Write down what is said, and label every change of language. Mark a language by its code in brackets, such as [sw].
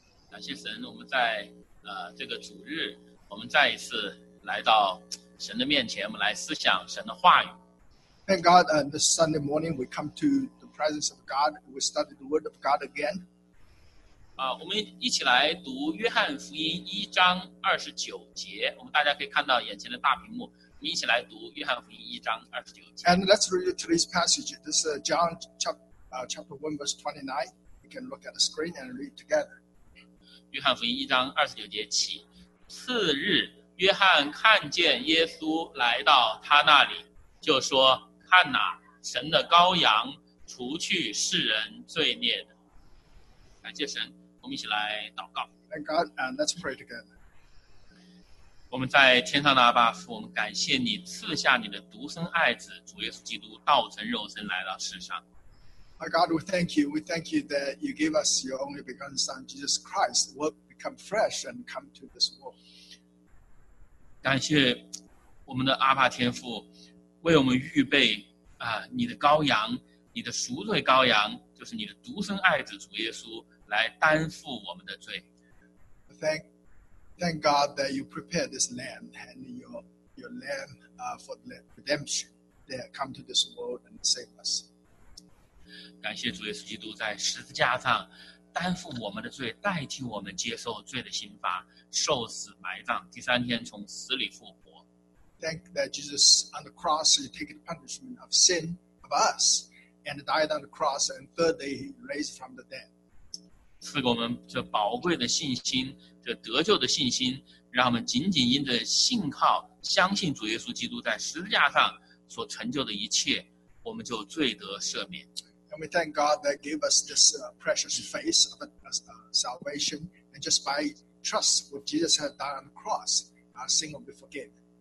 [zh] 感谢神，我们在这个主日，我们再一次来到神的面前，我们来思想神的话语。 [en] Thank God, and this Sunday morning we come to the presence of God. We study the Word of God again. [zh] 我们一起来读约翰福音一章二十九节。我们大家可以看到眼前的大屏幕，我们一起来读约翰福音一章二十九节。 [en] And let's read today's passage. This is John chapter 1 verse 29. You can look at the screen and read together. [zh] 约翰福音一章二十九节起，次日，约翰看见耶稣来到他那里，就说：“看哪，神的羔羊，除去世人罪孽的。” 感谢神，我们一起来祷告。 [en] Thank God and let's pray together. [zh] 我们在天上的阿爸父，我们感谢你赐下你的独生爱子主耶稣基督道成肉身来到世上。 [en] My God, we thank you that you gave us your only begotten Son, Jesus Christ, who will become flesh and come to this world. [zh] 感谢我们的阿爸天父，为我们预备你的羔羊，你的赎罪羔羊，就是你的独生爱子主耶稣，来担负我们的罪。 [en] Thank God that you prepared this lamb and your lamb for the redemption that come to this world and save us. [zh] 感谢主耶稣基督在十字架上担负我们的罪，代替我们接受罪的刑罚，受死埋葬，第三天从死里复活。 [en] thank that Jesus on the cross he took the punishment of sin of us and died on the cross and third day he raised from the dead. [zh] 赐给我们这宝贵的信心，这得救的信心。让我们紧紧因着信靠，相信主耶稣基督在十字架上所成就的一切，我们就罪得赦免。 [en] And we thank God that gave us this precious face of salvation, and just by trust what Jesus has done on the cross, our sin will be forgiven.